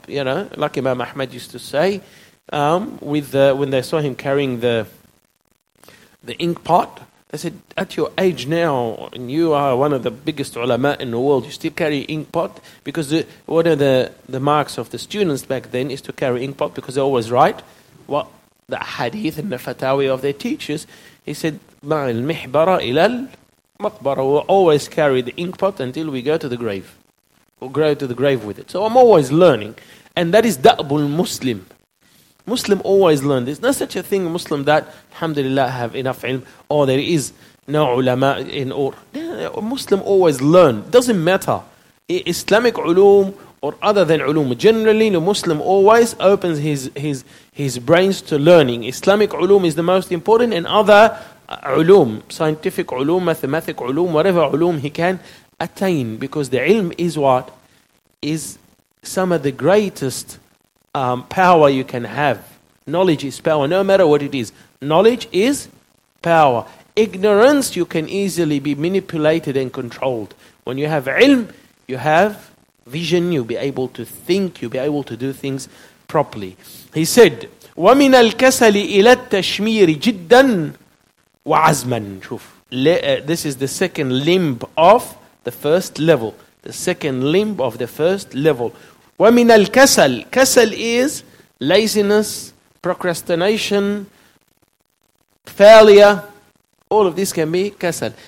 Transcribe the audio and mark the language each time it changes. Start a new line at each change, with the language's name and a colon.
English: You know, like Imam Ahmad used to say, when they saw him carrying the ink pot, I said, at your age now, and you are one of the biggest ulama in the world, you still carry ink pot? Because one of the marks of the students back then is to carry ink pot, because they always write what the hadith and the fatawi of their teachers. He said,
Arabic: مَعِ الْمِحْبَرَ إِلَى الْمَقْبَرَ.
English: We'll always carry the ink pot until we go to the grave. We'll go to the grave with it. So I'm always learning. And that is
Arabic: دَأْبُ الْمُسْلِمِ.
English: Muslim always learn. There's no such a thing, Muslim, that alhamdulillah have enough ilm, or there is no ulama in or. Muslim always learn. Doesn't matter. Islamic ulum or other than ulum. Generally, the Muslim always opens his brains to learning. Islamic ulum is the most important, and other ulum, scientific ulum, mathematic ulum, whatever ulum he can attain. Because the ilm is what? Is some of the greatest power you can have. Knowledge is power, no matter what it is. Knowledge is power. Ignorance, you can easily be manipulated and controlled. When you have ilm, you have vision, you'll be able to think, you'll be able to do things properly. He said,
Arabic: وَمِنَ الْكَسَلِ إِلَى التَّشْمِيرِ جِدًّا وَعَزْمًا.
English: This is the second limb of the first level. The second limb of the first level.
Arabic: وَمِنَ الْكَسَلِ.
English: Kasal is laziness, procrastination, failure, all of this can be kasal.